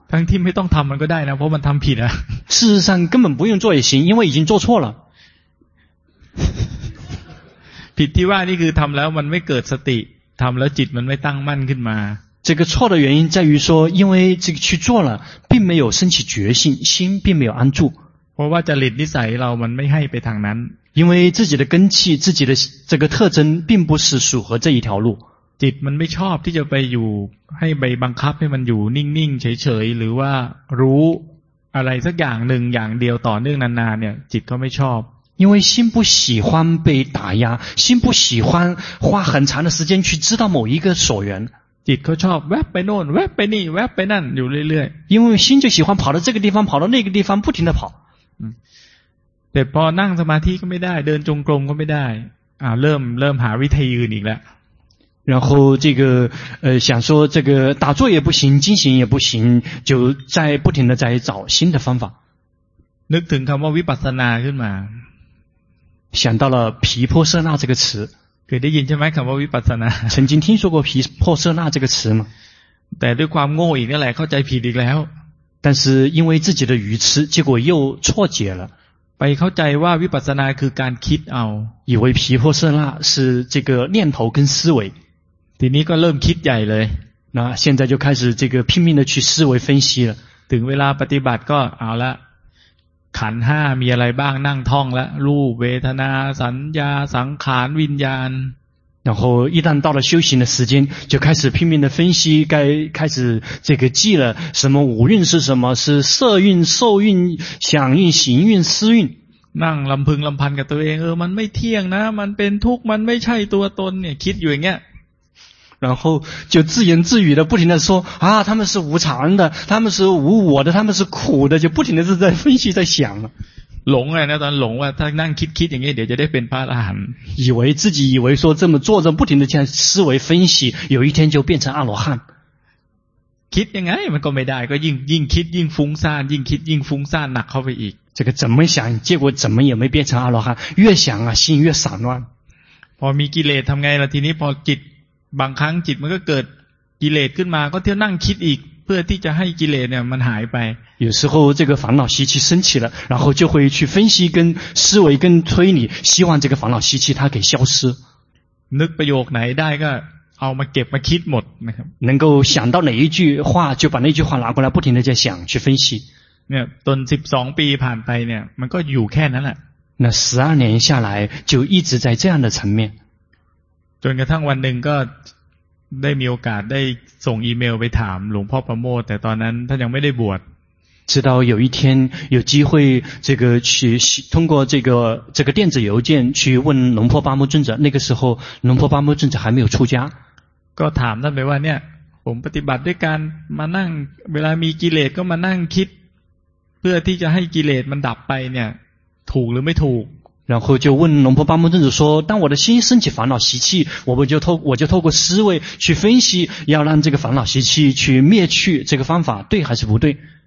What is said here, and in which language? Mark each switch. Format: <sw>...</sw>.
<th>ทั้งที่ไม่ต้องทำมันก็ได้นะเพราะมันทำผิดอ่ะ</th> <zh>事实上根本不用做也行因为已经做错了</zh> <th>ผิดที่ว่านี่คือทำแล้วมันไม่เกิดสติทำแล้วจิตมันไม่ตั้งมั่นขึ้นมา</th> <zh>这个错的原因在于说因为这个去做了并没有升起决心心并没有安住</zh> <th>เพราะว่าจริตนิสัยเรามันไม่ให้ไปทางนั้น</th> <zh>因为自己的根气自己的这个特征并不是属合这一条路</zh> <th>จิตมันไม่ชอบที่จะไปอยู่ให้ไปบังคับให้มันอยู่นิ่งๆเฉยๆหรือว่ารู้อะไรสักอย่างหนึ่งอย่างเดียวต่อเนื่องนานๆเนี่ยจิตก็ไม่ชอบ</th> <zh>因为心不喜欢被打压心不喜欢花很长的时间去知道某一个所缘</zh> <th>จิตก็ชอบแวบไปโน่นแวบไปนี่แวบไปนั่นอยู่เรื่อย</th> <zh>ๆ因为心就喜欢跑到这个地方跑到那个地方不停地跑</zh> <th>แต่พอนั่งสมาธิก็ไม่ได้เดินจงกรมก็ไม่ได้เริ่มหาวิธีอื่นอีกแล้ว</th> <zh>然后这个想说这个打坐也不行进行也不行就在不停的在找新的方法</zh> <th>นึกถึงคำว่าวิปัสสนาขึ้นมา</th> <zh>想到了毗婆舍那这个词</zh> <th>เคยได้ยินใช่ไหมคำว่าวิปัสสนา</th> <zh>曾经听说过毗婆舍那这个词吗</zh> <th>แต่ด้วยความโง่อีกนั่นแหละเข้าใจผิดอีกแล้ว</th> <zh>但是因为自己的愚痴结果又错解了</zh> <th>ไปเข้าใจว่าวิปัสสนาคือการคิดเอา</th> <zh>以为毗婆舍那是这个念头跟思维</zh> <th>ทีนี้ก็เริ่มคิดใหญ่เลย</th> <zh>那现在就开始这个拼命的去思维分析了</zh> <th>ถึงเวลาปฏิบัติก็เอาละขันธ์5มีอะไรบ้างนั่งท่องละรูปเวทนาสัญญาสังขารวิญญาณ</th> <zh>然后一旦到了修行的时间就开始拼命的分析该开始这个记了什么五蕴是什么是色蕴受蕴想蕴行蕴思蕴</zh> <th>นั่งลำพึงลำพันกับตัวเองมันไม่เที่ยงนะมันเป็นทุกข์มันไม่ใช่ตัวตนเนี่ยคิดอยู่อย่างเงี้ย</th> <zh>然后就自言自语的不停的说啊他们是无常的他们是无我的他们是苦的就不停的在分析在想龙啊那段龙啊他那样</zh> <th>คิด อย่างนี้เดี๋ยวจะได้เป็นพระอรหันต์</th> <zh>以为自己以为说这么坐着不停的这样思维分析有一天就变成阿罗汉</zh> <th>คิดยังไงมันก็ไม่ได้ก็ยิ่งคิดยิ่งฟุ้งซ่านยิ่งคิดยิ่งฟุ้งซ่านหนักเข้าไปอีก</th> <zh>这个怎么想结果怎么也没变成阿罗汉越想啊心越散乱</zh> <th>พอมีกิเลสทำไงล่ะทีนี้พอจิตบางครั้งจิตมันก็เกิดกิเลสขึ้นมาก็เที่ยวนั่งคิดอีกเพื่อที่จะให้กิเลสเนี่ยมันหายไป</th> <zh>有时候这个烦恼习气升起了然后就会去分析跟思维跟推理希望这个烦恼习气它给消失</zh> <th>นึกประโยคไหนได้ก็เอามาเก็บมาคิดหมดนะครับ</th> <zh>能够想到哪一句话就把那句话拿过来不停的在想去分析</zh> <th>เนี่ยตน12ปีผ่านไปเนี่ยมันก็อยู่แค่นั้นแหละ</th> <zh>那12年下来就一直在这样的层面</zh> <th>จนกระทั่งวันหนึ่งก็ได้มีโอกาสได้ส่งอีเมลไปถามหลวงพ่อประโมทแต่ตอนนั้นท่านยังไม่ได้บวช</th> <zh>直到有一天有机会这个去通过这个电子邮件去问龙婆巴木尊者那个时候龙婆巴木尊者还没有出家</zh> <th>ก็ถามท่านไปว่าเนี่ยผมปฏิบัติด้วยการมานั่งเวลามีกิเลสก็มานั่งคิดเพื่อที่จะให้กิเลสมันดับไปเนี่ยถูกหรือไม่ถูก</th> <zh>然后就问龙婆巴木尊者说当我的心升起烦恼习气我就透过思维去分析要让这个烦恼习气去灭去这个方法对还是不对</zh>